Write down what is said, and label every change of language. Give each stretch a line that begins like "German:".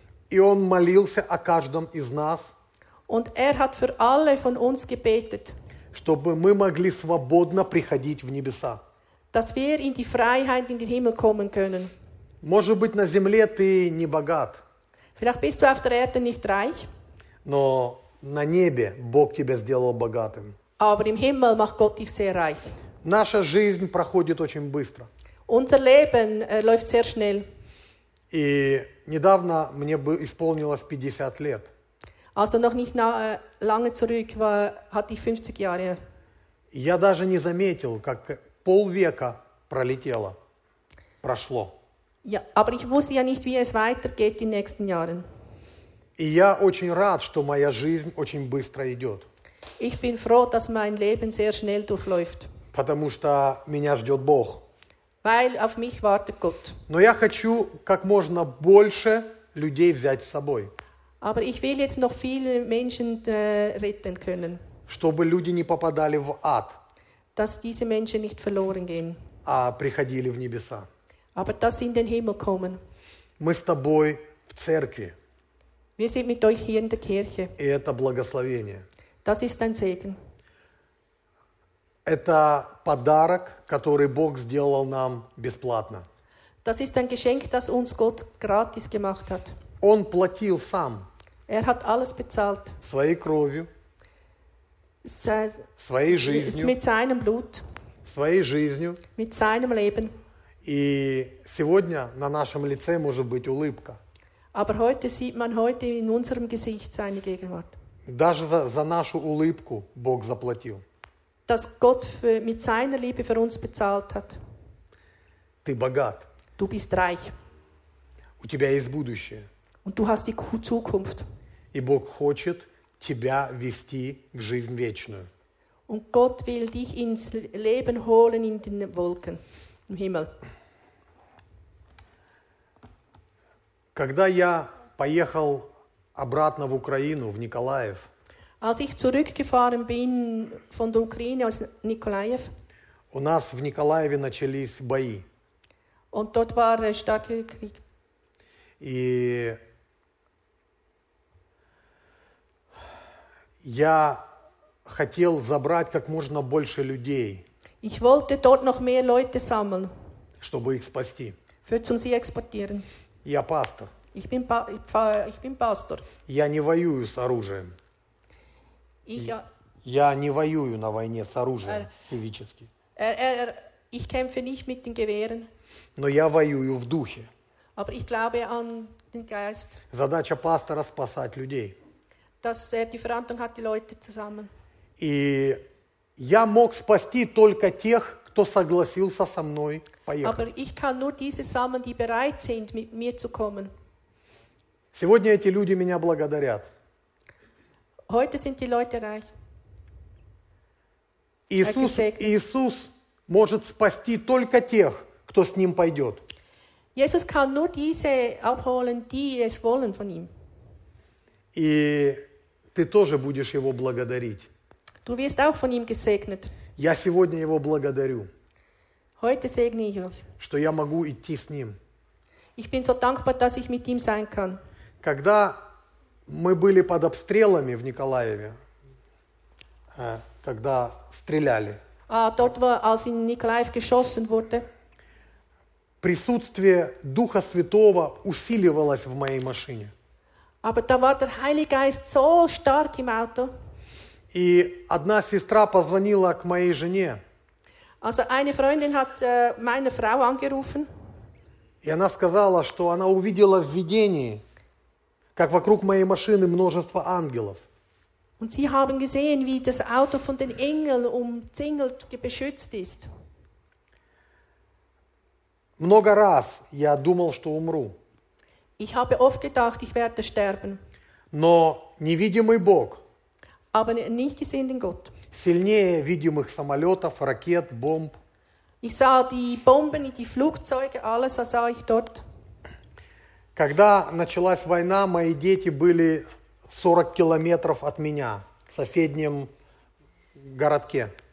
Russian: И он молился о каждом из нас.
German: Und er hat für alle von uns gebetet.
Russian: Чтобы мы могли свободно приходить в небеса.
German: Dass wir in die Freiheit in den Himmel kommen können.
Russian: Может быть, на земле ты не богат.
German: Vielleicht bist du auf der Erde nicht reich.
Russian: Но на небе Бог тебя сделал богатым.
German: Aber im Himmel macht Gott dich sehr reich.
Russian: Наша жизнь проходит очень быстро.
German: Unser Leben läuft sehr schnell.
Russian: И недавно мне исполнилось 50 лет.
German: Also noch nicht lange zurück hatte ich 50 Jahre.
Russian: Я даже не заметил, как полвека пролетело, прошло.
German: Ja, aber ich wusste ja nicht, wie es weitergeht in den nächsten Jahren.
Russian: И я очень рад, что моя жизнь очень быстро идет.
German: Ich bin froh, dass mein Leben sehr schnell durchläuft.
Russian: Потому что меня ждет Бог.
German: Weil auf mich wartet Gott.
Russian: Но я хочу как можно больше людей взять с собой.
German: Aber ich will jetzt noch viele Menschen retten können.
Russian: Чтобы люди не попадали в ад.
German: Dass diese Menschen nicht verloren gehen.
Russian: А приходили в небеса.
German: Aber dass sie in den Himmel kommen.
Russian: Мы с тобой в церкви.
German: Wir sind mit euch hier in der Kirche.
Russian: И это благословение.
German: Das ist ein Segen.
Russian: Это подарок, который Бог сделал нам бесплатно.
German: Das ist ein Geschenk, das uns Gott gratis gemacht hat.
Russian: Он платил сам.
German: Er hat alles bezahlt.
Russian: Своей кровью. Своей жизнью.
German: Mit seinem Blut.
Russian: Своей жизнью.
German: Mit seinem Leben.
Russian: И сегодня на нашем лице может быть улыбка.
German: Aber heute sieht man heute in unserem Gesicht seine Gegenwart.
Russian: Даже за нашу улыбку Бог заплатил.
German: Dass Gott mit seiner Liebe für uns bezahlt hat.
Russian: Ты богат.
German: Du bist reich.
Russian: У тебя есть будущее.
German: Und du hast die Zukunft.
Russian: И Бог хочет тебя вести в жизнь вечную.
German: Und Gott will dich ins Leben holen in den Wolken, im Himmel.
Russian: Когда я поехал обратно в Украину, в Николаев,
German: als ich zurückgefahren bin von der Ukraine aus Nikolaev,
Russian: у нас в Николаеве начались бои.
German: Und dort war ein starker Krieg.
Russian: И я хотел забрать как можно больше людей.
German: Ich wollte dort noch mehr Leute sammeln.
Russian: Чтобы их спасти.
German: Für zum sie exportieren.
Russian: Я пастор.
German: Ich bin Pastor.
Russian: Я не воюю с оружием. Я не воюю на войне с оружием физически.
German: Ich kämpfe nicht mit den Gewehren.
Russian: Но я воюю в духе.
German: Aber ich glaube an den Geist.
Russian: Задача пастора спасать людей.
German: Dass er die Verantwortung hat, die Leute zusammen.
Russian: И я мог спасти только тех, кто согласился со мной поехать.
German: Aber ich kann nur diese sammeln, die bereit sind, mit mir zu kommen.
Russian: Сегодня эти люди меня благодарят.
German: Heute sind die Leute reich.
Russian: Иисус может спасти только тех, кто с ним пойдет.
German: Jesus kann nur diese abholen, die es wollen von ihm.
Russian: И ты тоже будешь его благодарить.
German: Du wirst auch von ihm gesegnet.
Russian: Я сегодня его благодарю.
German: Heute segne ich ihn.
Russian: Что я могу идти с ним.
German: Ich bin so dankbar, dass ich mit ihm sein kann.
Russian: Когда мы были под обстрелами в Николаеве, когда стреляли.
German: Dort, wo, als in Nikolaev geschossen wurde.
Russian: Присутствие Духа Святого усиливалось в моей машине.
German: Aber da war der Heilige Geist so stark im Auto.
Russian: И одна сестра позвонила к моей жене.
German: Also eine Freundin hat meine Frau angerufen.
Russian: И она сказала, что она увидела в видении, как вокруг моей машины множество ангелов.
German: Und sie haben gesehen, wie das Auto von den Engeln umzingelt, beschützt ist.
Russian: Много раз я думал, что умру.
German: Ich habe oft gedacht, ich werde sterben.
Russian: Но невидимый Бог.
German: Aber nicht gesehen den Gott.
Russian: Сильнее видимых самолетов, ракет, бомб.
German: Ich sah die Bomben, die Flugzeuge, alles sah ich dort.
Russian: Когда началась война, мои дети были 40 километров от меня, в соседнем городке.